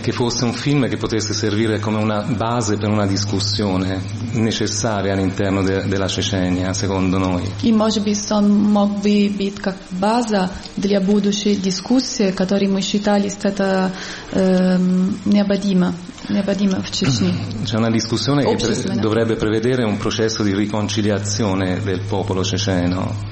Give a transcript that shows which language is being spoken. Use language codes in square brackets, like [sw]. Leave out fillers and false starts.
[it] Che fosse un film che potesse servire come una base per una discussione necessaria all'interno della Cecenia, secondo noi. [ru] И может быть он мог бы быть как база для будущей дискуссии, которую мы считали это необходимо в Чечне. [it] C'è una discussione che dovrebbe prevedere un processo di riconciliazione del popolo ceceno.